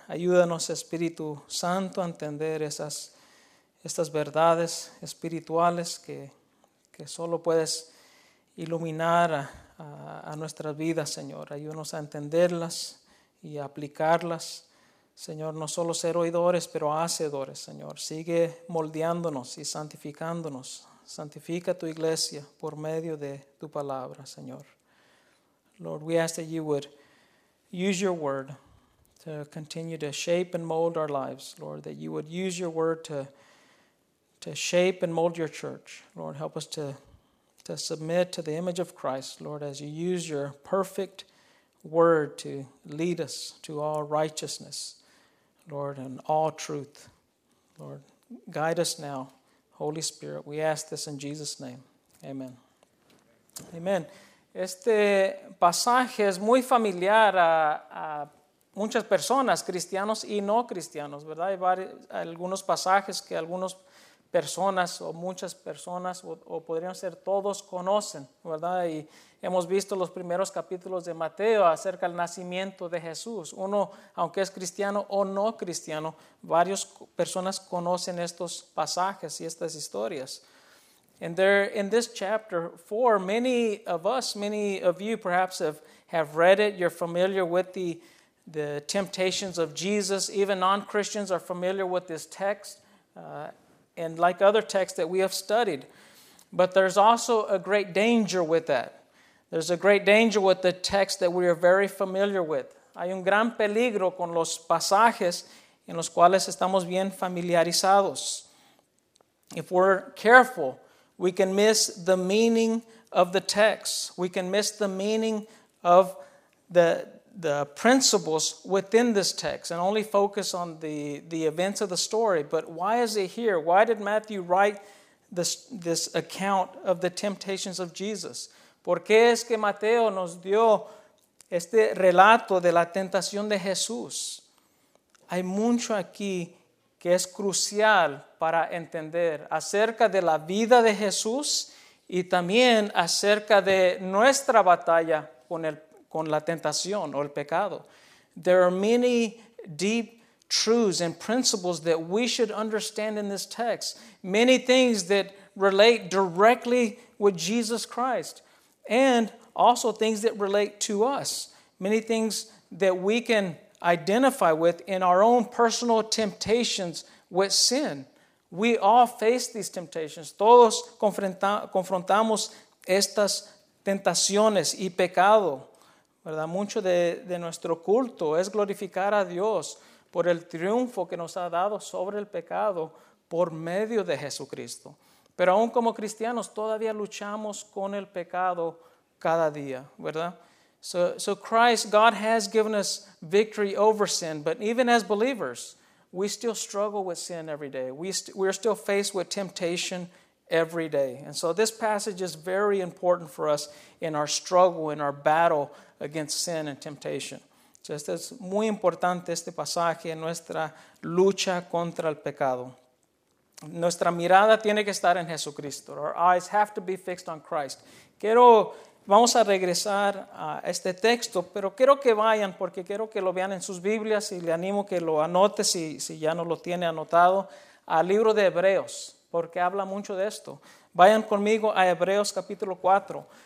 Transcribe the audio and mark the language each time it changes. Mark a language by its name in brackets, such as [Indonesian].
[Spanish] Ayúdanos, Espíritu Santo, a entender estas verdades espirituales que solo puedes iluminar a nuestra vida, Señor. Ayúdanos a entenderlas y a aplicarlas, Señor. No solo ser oidores, pero hacedores, Señor. Sigue moldeándonos y santificándonos. Santifica tu iglesia por medio de tu palabra, Señor. [English] Lord, we ask that you would use your word to continue to shape and mold our lives, Lord, that you would use your word to shape and mold your church. Lord, help us to submit to the image of Christ, Lord, as you use your perfect word to lead us to all righteousness, Lord, and all truth. Lord, guide us now, Holy Spirit. We ask this in Jesus' name. Amen. Amen. [Spanish] Este pasaje es muy familiar a muchas personas, cristianos y no cristianos, ¿verdad? Hay algunos pasajes que algunas personas o muchas personas o podrían ser todos conocen, ¿verdad? Y hemos visto los primeros capítulos de Mateo acerca del nacimiento de Jesús. Uno, aunque es cristiano o no cristiano, varias personas conocen estos pasajes y estas historias. [English] And there, in this chapter 4, many of you perhaps have read it. You're familiar with the temptations of Jesus. Even non-Christians are familiar with this text, and like other texts that we have studied. But there's also a great danger with that. There's a great danger with the text that we are very familiar with. [Spanish] Hay un gran peligro con los pasajes en los cuales estamos bien familiarizados. [English] If we're careful, we can miss the meaning of the text. We can miss the meaning of the the principles within this text and only focus on the events of the story. But why is it here? Why did Matthew write this account of the temptations of Jesus? [Spanish] ¿Por qué es que Mateo nos dio este relato de la tentación de Jesús? Hay mucho aquí que es crucial para entender acerca de la vida de Jesús y también acerca de nuestra batalla con la tentación o el pecado. [English] There are many deep truths and principles that we should understand in this text. Many things that relate directly with Jesus Christ. And also things that relate to us. Many things that we can identify with in our own personal temptations with sin. We all face these temptations. [Spanish] Todos confrontamos estas tentaciones y pecado. ¿Verdad? Mucho de nuestro culto es glorificar a Dios por el triunfo que nos ha dado sobre el pecado por medio de Jesucristo. Pero aún como cristianos todavía luchamos con el pecado cada día, ¿verdad? [English] So Christ, God has given us victory over sin, but even as believers, we still struggle with sin every day. We're still faced with temptation every day. And so this passage is very important for us in our struggle, in our battle against sin and temptation. [Spanish] Just es muy importante este pasaje en nuestra lucha contra el pecado. Nuestra mirada tiene que estar en Jesucristo. [English] Our eyes have to be fixed on Christ. [Spanish] Vamos a regresar a este texto, pero quiero que vayan porque quiero que lo vean en sus Biblias y le animo que lo anote si ya no lo tiene anotado al libro de Hebreos, porque habla mucho de esto. Vayan conmigo a Hebreos capítulo 4.